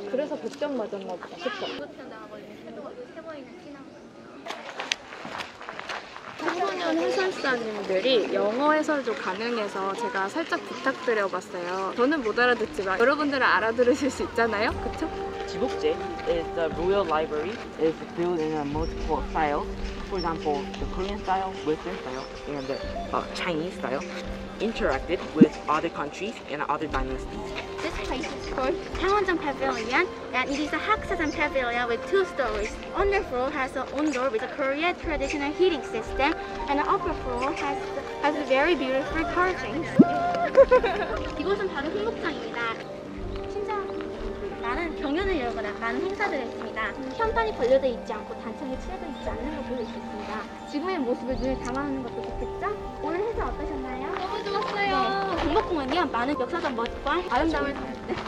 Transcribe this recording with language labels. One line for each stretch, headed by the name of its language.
Korean: 그래서 100점 맞았나 보다 싶어. 청소년 해설사님들이 영어 해설 좀 가능해서 제가 살짝 부탁드려봤어요. 저는 못 알아듣지만 여러분들은 알아들으실 수 있잖아요. 그쵸?
English: 지복제 is the royal library is built in a multiple styles. For example, the Korean style, Western style, and the Chinese style. Interacted with other countries and other dynasties. This place is called Gyeongwon-jung Pavilion, and it is a Hakseo-jung Pavilion with two stories. On the floor has an own door with a Korean traditional heating system, and the upper floor has a very beautiful carvings.
Korean: 이곳은 바로 흥국장입니다. 나는 경연을 열거나 많은 행사들을 했습니다. 현판이 벌려져 있지 않고 단층이 칠해져 있지 않는 걸 보실 수 있습니다. 지금의 모습을 눈에 담아놓는 것도 좋겠죠? 오늘 행사 어떠셨나요? 너무 좋았어요. 네, 경복궁은요 많은 역사적 멋과 아름다움을 담았는데